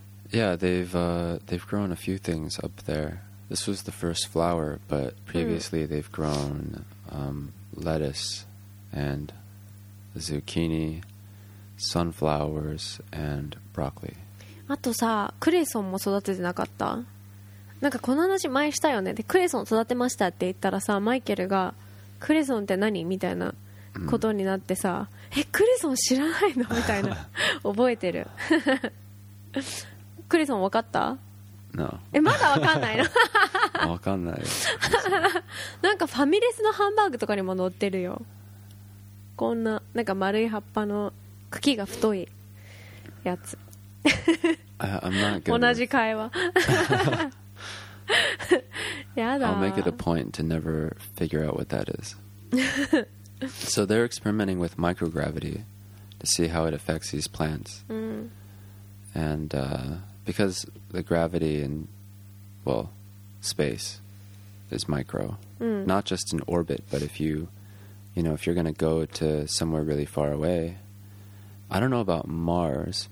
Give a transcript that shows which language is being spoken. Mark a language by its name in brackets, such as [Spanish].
[English] Yeah, they've grown a few things up there. This was the first flower, but previously they've grown lettuce and zucchini, sunflowers and broccoli. [Japanese] あとさ、クレソンも育ててなかった？なんかこの話前したよね。で、クレソン育てましたって言ったらさ、マイケルがクレソンって何？みたいなことになってさ、え、クレソン知らないの？みたいな覚えてる。クレソン分かった [English] ？No. [Japanese] え、まだ分かんないの？分かんないなんかファミレスのハンバーグとかにも載ってるよ。こんな、なんか丸い葉っぱの茎が太いやつ。 [English] I'm not good. [Japanese] 同じ会話。 [English] I'll make it a point to never figure out what that is. So they're experimenting with microgravity to see how it affects these plants. And because the gravity in, well, space is micro, not just in orbit, but if you, you know, if you're going to go to somewhere really far away, I don't know about Mars.